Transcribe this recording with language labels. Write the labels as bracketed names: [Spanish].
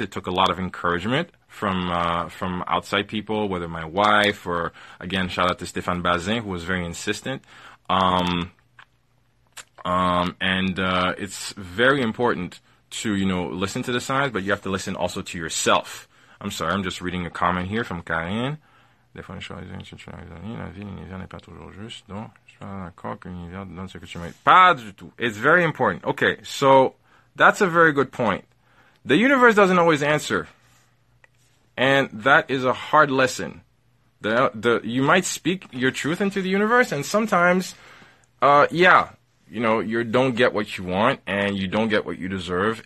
[English] It took a lot of encouragement from outside people, whether my wife or, again, shout out to Stéphane Bazin, who was very insistent. It's very important to, you know, listen to the signs, but you have to listen also to yourself. I'm sorry, I'm just reading a comment here from Karen. [French] Des fois, les choses sont structurées. La vie, l'univers n'est pas toujours juste. Donc, je suis pas d'accord que l'univers donne ce que tu mérites. Pas du tout. [English] It's very important. Okay, so that's a very good point. The universe doesn't always answer. And that is a hard lesson. You might speak your truth into the universe, and sometimes, you know, you don't get what you want, and you don't get what you deserve.